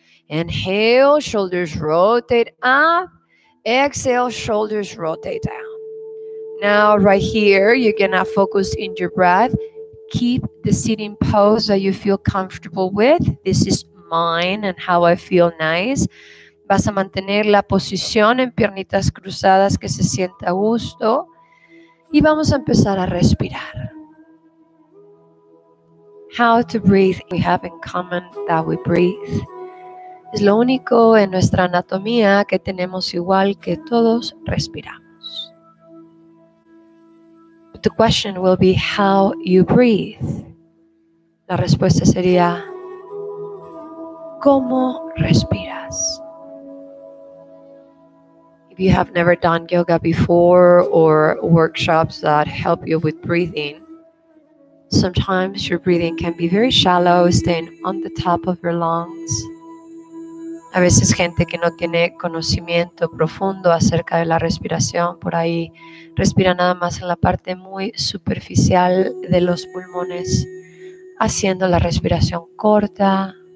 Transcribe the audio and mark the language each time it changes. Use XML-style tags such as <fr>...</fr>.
<en>Inhale, shoulders rotate up. Exhale, shoulders rotate down. Now, right here, you're gonna focus in your breath. Keep the sitting pose that you feel comfortable with. This is mine and how I feel nice.</en> <es>Vas a mantener la posición en piernitas cruzadas que se sienta a gusto. Y vamos a empezar a respirar.</es> <en>How to breathe. We have in common that we breathe.</en> <es>Es lo único en nuestra anatomía que tenemos igual que todos respiramos.</es> <en>But the question will be how you breathe.</en> <es>La respuesta sería, ¿cómo respiras?</es> <en>If you have never done yoga before or workshops that help you with breathing, sometimes your breathing can be very shallow, staying on the top of your lungs.</en> <es>A veces gente que no tiene conocimiento profundo acerca de la respiración, por ahí respira nada más en la parte muy superficial de los pulmones, haciendo la respiración corta.</es>